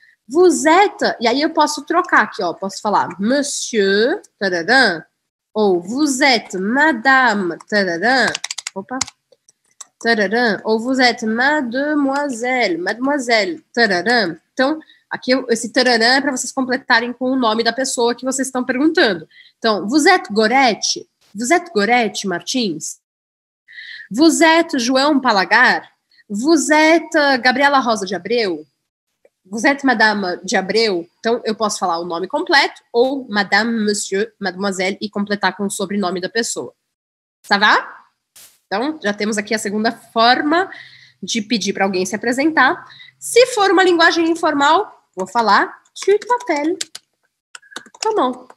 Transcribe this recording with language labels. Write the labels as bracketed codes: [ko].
[fr] Vous êtes, [pt] e aí eu posso trocar aqui, ó, posso falar monsieur, tararã, [fr] ou vous êtes madame, [pt] tararã, opa, tararã, [fr] ou vous êtes mademoiselle, mademoiselle, [pt] tararã. Então, aqui esse tararã é para vocês completarem com o nome da pessoa que vocês estão perguntando. Então, [fr] vous êtes [pt] Gorete, Martins? [fr] Vous êtes João Palagar? Vous êtes Gabriela Rosa de Abreu? Vous êtes Madame de Abreu? [pt] Então, eu posso falar o nome completo ou Madame, Monsieur, Mademoiselle e completar com o sobrenome da pessoa. [fr] Ça va? [pt] Então, já temos aqui a segunda forma de pedir para alguém se apresentar. Se for uma linguagem informal, vou falar [fr] tu t'appelles. Comment?